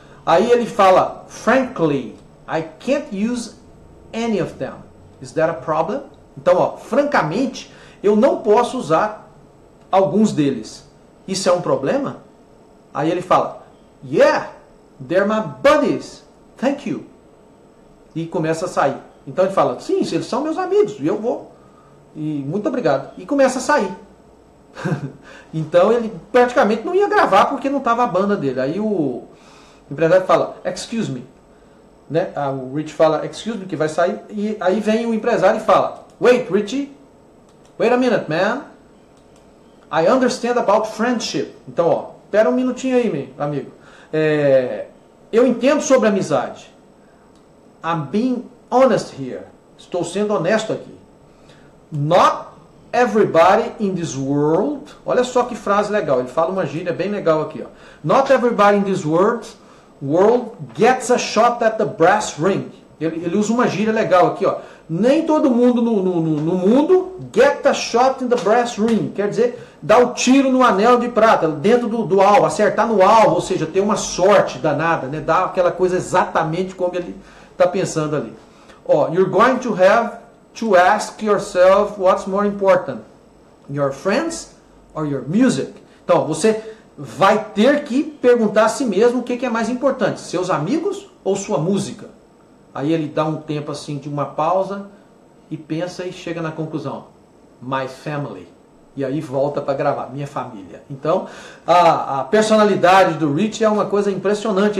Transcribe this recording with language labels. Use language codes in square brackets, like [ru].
[pt] Aí ele fala, [en] frankly, I can't use any of them. Is that a problem? [pt] Então, ó, francamente, eu não posso usar alguns deles. Isso é um problema? Aí ele fala, [en] yeah, they're my buddies. Thank you. [pt] E começa a sair. Então ele fala, sim, eles são meus amigos e eu vou. E muito obrigado. E começa a sair. Então ele praticamente não ia gravar porque não estava a banda dele. Aí o empresário fala, [en] excuse me. [pt] Né? Ah, o Rich fala, [en] excuse me, [pt] que vai sair. E aí vem o empresário e fala, [en] wait, Richie. Wait a minute, man. I understand about friendship. [pt] Então, ó, espera um minutinho aí, meu amigo. É, eu entendo sobre amizade. [en] I'm being honest here. [pt] Estou sendo honesto aqui. [en] Not everybody in this world... [pt] Olha só que frase legal. Ele fala uma gíria bem legal aqui. Ó. [en] Not everybody in this world gets a shot at the brass ring. [pt] Ele usa uma gíria legal aqui. Ó. Nem todo mundo no mundo [en] get a shot in the brass ring. [pt] Quer dizer, dá o tiro no anel de prata, dentro do alvo. Acertar no alvo, ou seja, ter uma sorte danada. Né? Dá aquela coisa exatamente como ele... tá pensando ali. [en] Ó, oh, you're going to have to ask yourself what's more important, your friends or your music. [pt] Então, você vai ter que perguntar a si mesmo o que é mais importante, seus amigos ou sua música. Aí ele dá um tempo assim de uma pausa e pensa e chega na conclusão, [en] my family. [pt] E aí volta para gravar, minha família. Então, a personalidade do Rich é uma coisa impressionante.